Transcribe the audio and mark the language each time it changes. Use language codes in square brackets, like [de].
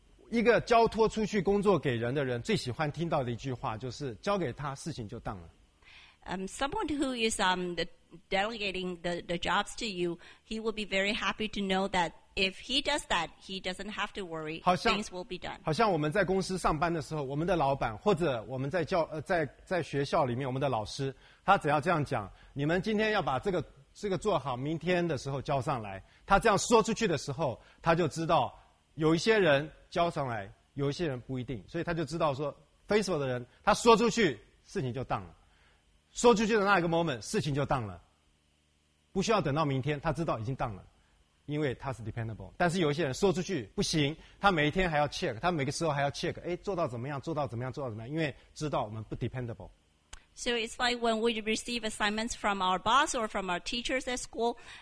[zh] 一个交托出去工作给人的人，最喜欢听到的一句话就是交给他，事情就当了。 [en] Someone who is delegating the jobs to you, he will be very happy to know that. If he does that, he doesn't have to worry. Things will be done. [zh] 好像我们在公司上班的时候，我们的老板或者我们在教在学校里面，我们的老师，他只要这样讲，你们今天要把这个做好，明天的时候交上来。他这样说出去的时候，他就知道有一些人交上来，有一些人不一定，所以他就知道说 ，faithful 的人，他说出去事情就当了，说出去的那一个 moment 事情就当了，不需要等到明天，他知道已经当了。因为他是 dependable， 但是有一些人说出去不行，他每一天还要 check， 他每个时候还要 check， 哎，做到怎么样？做到怎么样？做到怎么样？因为知道我们不 dependable。 [en] So it's like when we receive assignments from our boss or from our teachers at school.